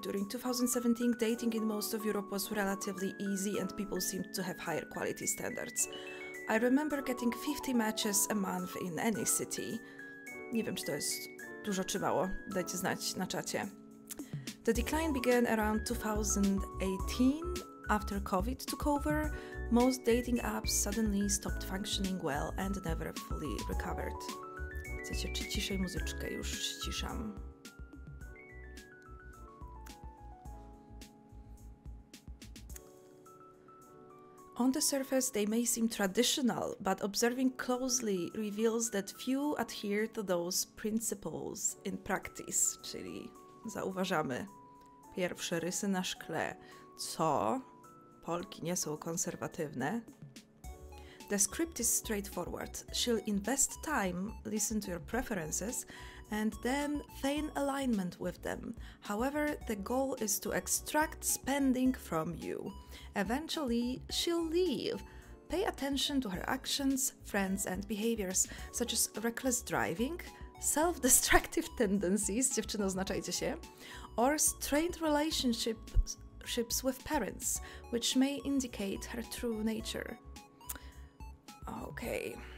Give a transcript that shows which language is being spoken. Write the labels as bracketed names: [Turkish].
[English] During 2017, dating in most of Europe was relatively easy and people seemed to have higher quality standards. I remember getting 50 matches a month in any city. [Polish] Nie wiem, czy to jest dużo czy mało. Dajcie znać na czacie. [English] The decline began around 2018 after COVID took over. Most dating apps suddenly stopped functioning well and never fully recovered. [Polish] Chcecie ciszej muzyczkę? Już ciszam. [English] On the surface, they may seem traditional, but observing closely reveals that few adhere to those principles in practice. [Polish] Czyli zauważamy pierwsze rysy na szkle. Co? Polki nie są konserwatywne. [English] The script is straightforward. She'll invest time, listen to your preferences, and then feign alignment with them. However, the goal is to extract spending from you. Eventually, she'll leave. Pay attention to her actions, friends, and behaviors, such as reckless driving, self-destructive tendencies, [Polish] dziewczyno, oznaczajcie się, [English] or strained relationships with parents, which may indicate her true nature. Okay.